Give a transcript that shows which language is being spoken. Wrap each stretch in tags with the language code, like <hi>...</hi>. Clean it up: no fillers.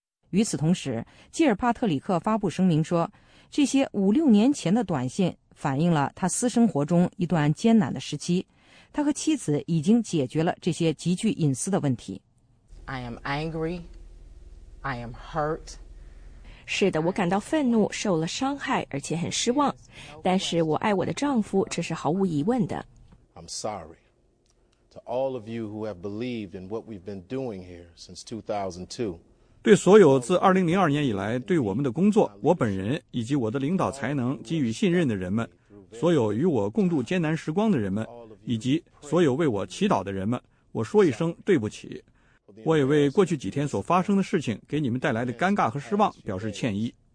<zh>与此同时，基尔帕特里克发布声明说，这些五六年前的短信反映了他私生活中一段艰难的时期，他和妻子已经解决了这些极具隐私的问题。</zh> <en>I am angry, I am hurt.</en> <zh>是的，我感到愤怒，受了伤害，而且很失望，但是我爱我的丈夫，这是毫无疑问的。</zh> <en>I'm sorry to all of you who have believed in what we've been doing here since 2002.</en> <zh>对所有自2002年以来对我们的工作、我本人以及我的领导才能给予信任的人们，所有与我共度艰难时光的人们，以及所有为我祈祷的人们，我说一声对不起。我也为过去几天所发生的事情给你们带来的尴尬和失望表示歉意。</zh>